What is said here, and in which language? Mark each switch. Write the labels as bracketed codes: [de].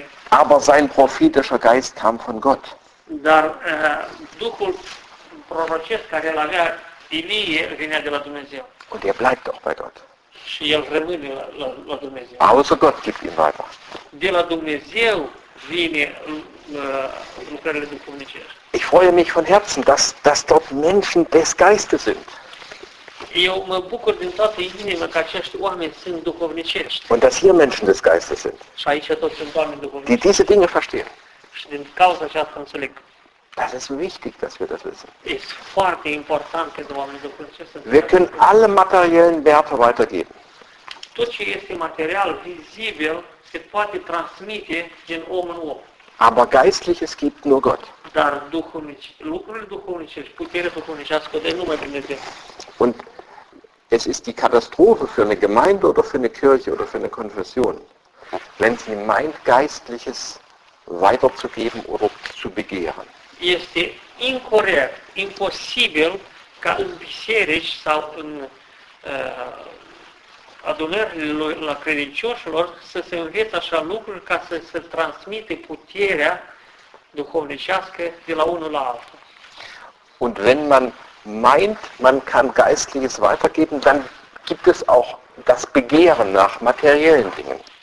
[de] Aber sein prophetischer Geist kam von Gott. [ro] Dar Duhul prorocesc care l-avea Ilie vine de la Dumnezeu. [de] Und er bleibt auch bei Gott. [ro] Și el rămâne la Dumnezeu. [de] Also Gott gibt ihm weiter. [ro] De la Dumnezeu vine lucrările duhovnice. [de] Ich freue mich von Herzen, dass dort Menschen des Geistes sind. [ro] Eu mă bucur din toată inima că acești oameni sunt duhovnicești. [de] Und dass hier Menschen des Geistes sind. [ro] Și aici toți sunt oameni duhovnicești. [de] Die diese Dinge verstehen. [ro] Și din cauza aceasta înțeleg. [de] Das ist wichtig, dass wir das wissen. [ro] Ist foarte important că oamenii duhovnicești sunt. [de] Wir können alle materiellen Werte weitergeben. [ro] Tot ce este material vizibil se poate transmite din om în om. [de] Aber Geistliches gibt nur Gott. [ro] Dar lucrurile duhovnicești, puterea duhovnicească, de numai Dumnezeu. [de] Und es ist die Katastrophe für eine Gemeinde oder für eine Kirche oder für eine Konfession, wenn sie meint, Geistliches weiterzugeben oder zu begehren. [ro] Este incorrect, imposibil ca în biserici sau în adunările la credincioșilor să se învețe așa lucruri ca să se transmite puterea duhovnicească de la unul la altul. [de] Und wenn man meint, man kann Geistliches weitergeben, dann gibt es auch das Begehren nach materiellen Dingen.